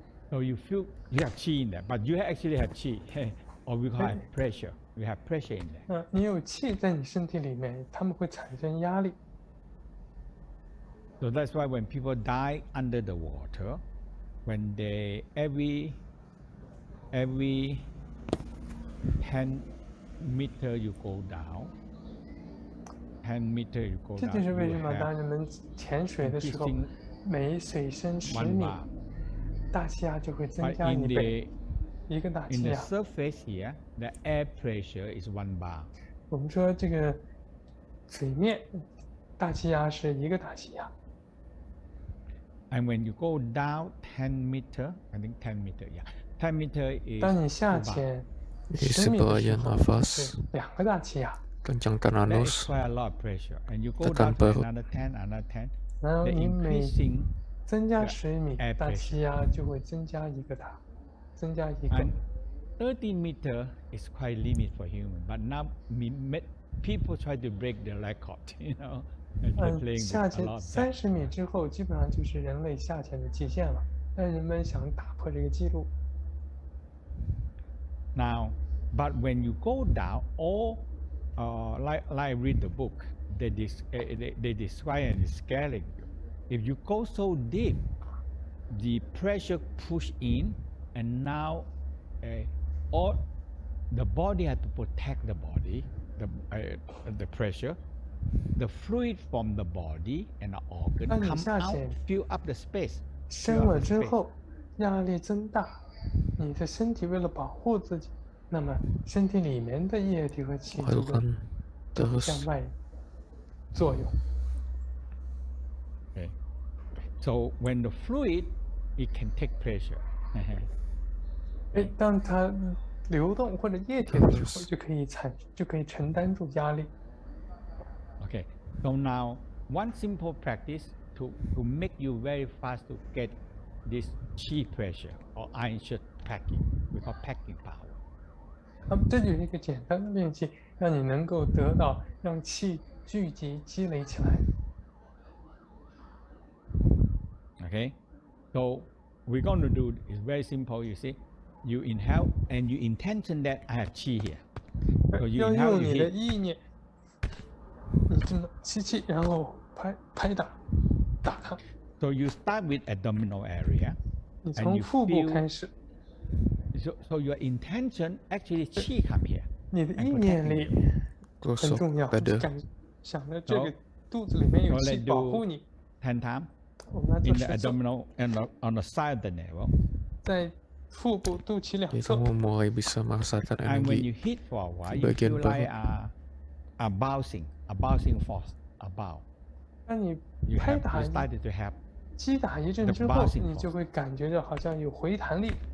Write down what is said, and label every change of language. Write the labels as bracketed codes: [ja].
[en] So you feel you have qi in there, but you actually have qi, or we call it pressure. We have pressure in there. [zh] 你有气在你身体里面，他们会产生压力。 [en] So that's why when people die under the water, when they every 10 meter you go down, 10 meter you go down. [zh] 这就是为什么当人们潜水的时候，每水深十米，大气压就会增加一倍。 [en] In the surface here, the air pressure is 1 bar. [zh] 我们说这个水面大气压是一个大气压。 [en] And when you go down 10 meter, I think 10 meter, yeah, 10 meter is. [zh] 当你下潜十米的时候，两个大气压。更强更难的。 [en] That's quite a lot of pressure. And you go down to another ten. [zh] 然后你每增加十米，大气压就会增加一个大。增加一个 [en] 13 meter is quite limit for human, but now people try to break the record, you know. [zh] 下潜三十米之后，基本上就是人类下潜的极限了。但人们想打破这个记录。 [en] Now, but when you go down, like read the book, they describe and scare you. If you go so deep, the pressure push in. And now, all the body has to protect the body, the pressure, the fluid from the body and the organ come out, fill up the space. [zh] 深了之后，压力增大，你的身体为了保护自己，那么身体里面的液体和气体都向外作用。 [en] Okay. So when the fluid, it can take pressure. [zh] 当它流动或者液体的时候，就可以承担住压力。 [en] Okay, so now one simple practice to make you very fast to get this qi pressure or iron shot packing, we call packing power. [zh] 这就是一个简单的练习，让你能够得到让气聚集积累起来。 [en] Okay, so we're going to do is very simple. You see. You inhale and you intention that I have qi here. So you inhale, [zh] 要用你的意念，你这么吸气，然后拍打，打它。 [en] So you start with abdominal area. [zh] 你从腹部开始。 [en] So your intention actually qi come here. [zh] 你的意念力很重要，想着这个肚子里面有气保护你。 [en] Ten times. In the abdominal and on the side of the navel. [zh] 在腹部、肚脐两侧。你从我们可以感受到 energy。 [en] And when you hit for a while, you feel like a bouncing force, a bounce. [zh] 那你拍打你 [en] started to have [zh] 击打一阵之后，你就会感觉到好像有回弹力。